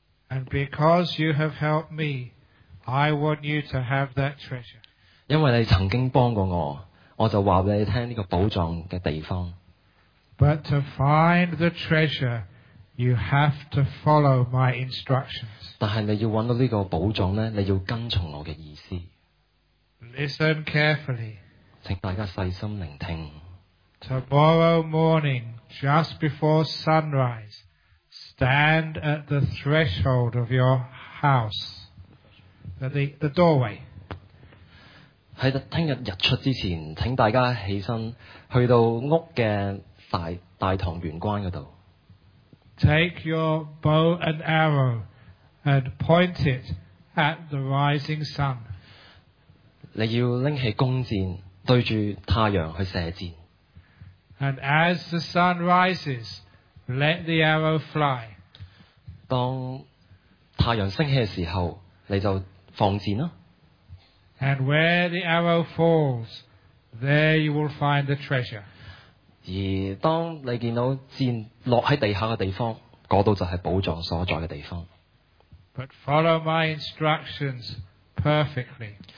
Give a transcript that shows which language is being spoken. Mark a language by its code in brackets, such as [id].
[en] And because you have helped me, I want you to have that treasure. [yue] 因为你曾经帮过我，我就话俾你听呢个宝藏嘅地方。 [en] But to find the treasure, you have to follow my instructions. [yue] 但系你要揾到呢个宝藏咧，你要跟从我嘅意思。 [en] Listen carefully. [yue] 请大家细心聆听。 [en] Tomorrow morning, just before sunrise, stand at the threshold of your house, at the doorway. [yue] 喺听日日出之前，请大家起身去到屋嘅大堂玄关嗰度。 [en] Take your bow and arrow and point it at the rising sun. [yue] 你要拎起弓箭，对住太阳去射箭。 [en] And as the sun rises, let the arrow fly. [yue] 当太阳升起嘅时候，你就放箭啦。 [en] And where the arrow falls, there you will find the treasure. [yue] 而当你见到箭落喺地下嘅地方，嗰度就系宝藏所在嘅地方。 [en] But follow my instructions perfectly.